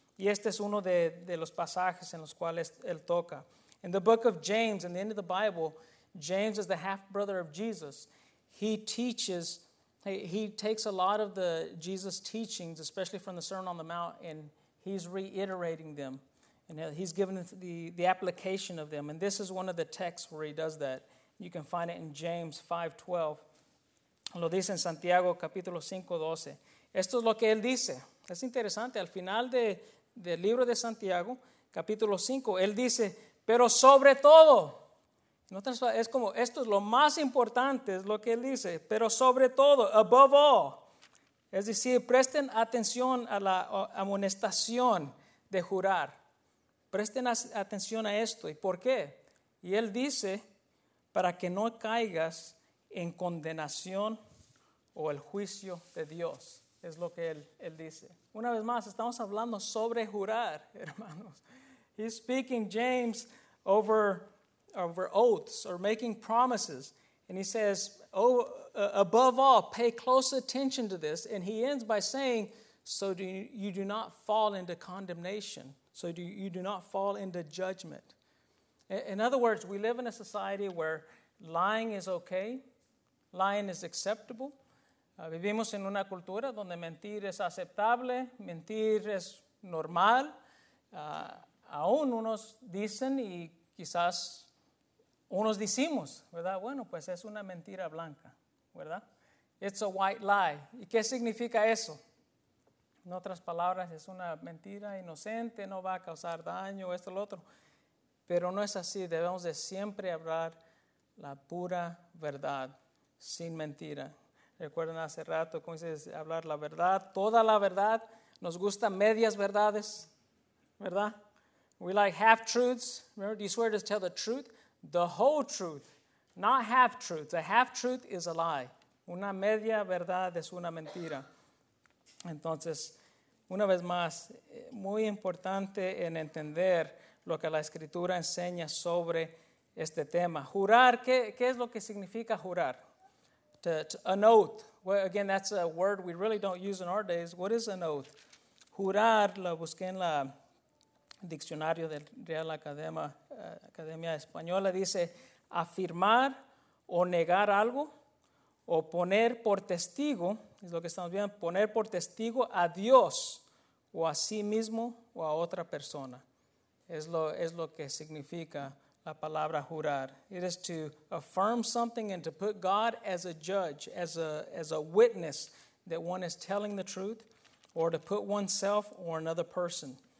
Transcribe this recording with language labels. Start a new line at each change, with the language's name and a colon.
Spanish: Y este es uno de los pasajes en los cuales él toca.
English: In the book of James, in the end of the Bible, James is the half-brother of Jesus. He teaches, he takes a lot of the Jesus teachings, especially from the Sermon on the Mount, and he's reiterating them. And he's given the application of them. And this is one of the texts where he does that. You can find it in James 5:12.
Spanish: Lo dice en Santiago capítulo 5:12. Esto es lo que él dice. Es interesante. Al final del libro de Santiago, capítulo 5, él dice, pero sobre todo, es como, esto es lo más importante, es lo que él dice, pero sobre todo,
English: above all,
Spanish: es decir, presten atención a la amonestación de jurar. Presten atención a esto. ¿Y por qué? Y él dice, para que no caigas en condenación o el juicio de Dios. Es lo que él dice. Una vez más, estamos hablando sobre jurar, hermanos.
English: He's speaking, James, over oaths or making promises. And he says, oh, above all, pay close attention to this. And he ends by saying, so you do not fall into condemnation. So you do not fall into judgment. In other words, we live in a society where lying is okay. Lying is acceptable.
Spanish: Vivimos en una cultura donde mentir es aceptable, mentir es normal. Aún unos dicen y quizás unos decimos, ¿verdad? Bueno, pues es una mentira blanca, ¿verdad?
English: It's a white lie.
Spanish: ¿Y qué significa eso? En otras palabras, es una mentira inocente, no va a causar daño, esto, lo otro. Pero no es así. Debemos de siempre hablar la pura verdad, sin mentira. Recuerden hace rato, ¿cómo dices? Hablar la verdad, toda la verdad. Nos gusta medias verdades, ¿verdad?
English: We like half-truths. Remember, do you swear to tell the truth? The whole truth, not half-truths. A half-truth is a lie.
Spanish: Una media verdad es una mentira. Entonces, una vez más, muy importante en entender lo que la Escritura enseña sobre este tema. Jurar, ¿qué es lo que significa jurar?
English: An oath. Well, again, that's a word we really don't use in our days. What is an oath?
Spanish: Jurar, lo busqué en la diccionario de Real Academia Española, dice afirmar o negar algo o poner por testigo, es lo que estamos viendo, poner por testigo a Dios o a sí mismo o a otra persona. Es lo que significa la palabra jurar.
English: It is to affirm something and to put God as a judge, as a witness that one is telling the truth, or to put oneself or another person.